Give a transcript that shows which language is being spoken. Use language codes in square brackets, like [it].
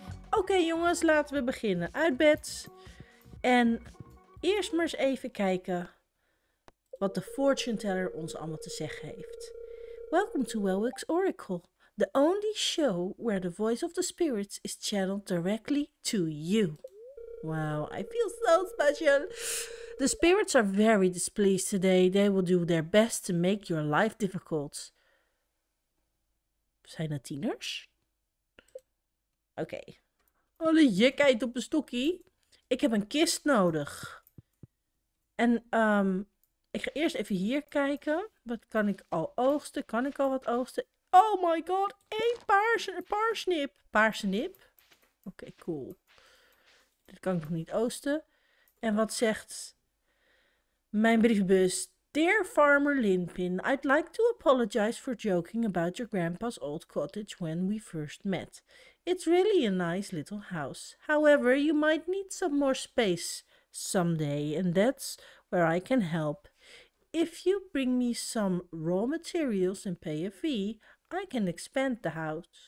[nl] Oké, jongens, laten we beginnen. Uit bed. En eerst maar eens even kijken wat de fortune teller ons allemaal te zeggen heeft. [en] Welcome to Welwick's Oracle, the only show where the voice of the spirits is channeled directly to you. Wow, I feel so special. The spirits are very displeased today. They will do their best to make your life difficult. [nl] Zijn dat tieners? Oké. Alle jikheid op een stokkie. Ik heb een kist nodig. En ik ga eerst even hier kijken. Wat kan ik al oogsten? Kan ik al wat oogsten? [en] Oh my god, [nl] één paarsnip. Paarsnip? Oké, cool. Dit kan ik nog niet oogsten. En wat zegt mijn brievenbus? [en] Dear Farmer Linpin, I'd like to apologize for joking about your grandpa's old cottage when we first met. It's really a nice little house. However, you might need some more space someday, and that's where I can help. If you bring me some raw materials and pay a fee, I can expand the house.